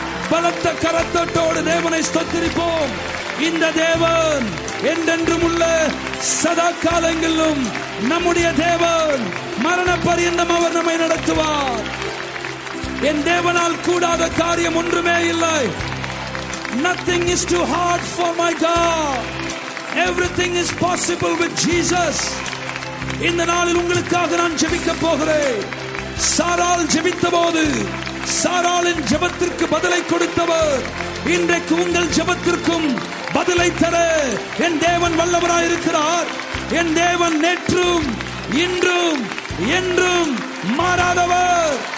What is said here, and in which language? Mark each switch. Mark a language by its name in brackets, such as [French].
[Tamil] பலத்த கரத்தோடு தேவனை ஸ்தோத்தரிப்போம். இந்த தேவன் என்றென்றும் உள்ள, சதா காலங்களிலும் நம்முடைய தேவன். மரண பரியந்தம் அவர் நம்மை நடத்துவார். என் தேவனால் கூடாத காரியம் ஒன்றுமே இல்லை. [English] Nothing is too hard for my God. Everything is possible with Jesus. [Tamil] இந்த நாளில் உங்களுக்காக நான் ஜெபிக்க போகிறேன். சாராள் ஜெபித்தபோது சாராளின் ஜெபத்திற்கு பதிலை கொடுத்தவர் இன்றைக்கு உங்கள் ஜெபத்திற்கும் பதிலை தர என் தேவன் வல்லவராயிருக்கிறார். என் தேவன் நேற்றும் இன்றும் என்றும் மாறாதவர்.